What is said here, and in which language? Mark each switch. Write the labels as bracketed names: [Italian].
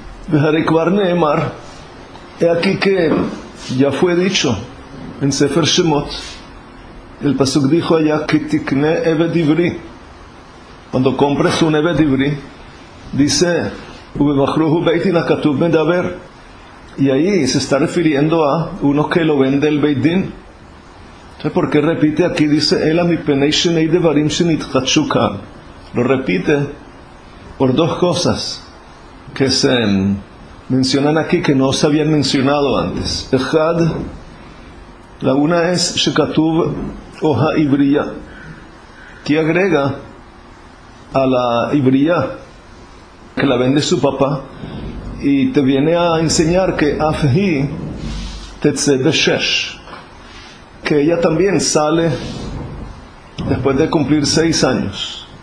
[Hebrew] Beharekvar neemar, [Spanish] he aquí que ya fue dicho en Sefer Shemot, el pasuk dijo allá que tikne eved ivri, cuando compres un eved ivri, dice, [Hebrew] ובמחרוהו ביתין הכתוב מדבר. [Spanish] Y ahí se está refiriendo a uno que lo vende el ביתין. Entonces, ¿por qué repite aquí? Dice, [Hebrew] אלא מפני שני דברים שנתחדשו כאן. [Spanish] Lo repite por 2 cosas que se mencionan aquí que no se habían mencionado antes. אחד, la una es [Hebrew] שכתוב הוא העברייה, [Spanish] que agrega a la עברייה, que la vende su papá, y te viene a enseñar que [Hebrew] afhi tetze beshesh, [Spanish] que ella también sale después de cumplir 6 años.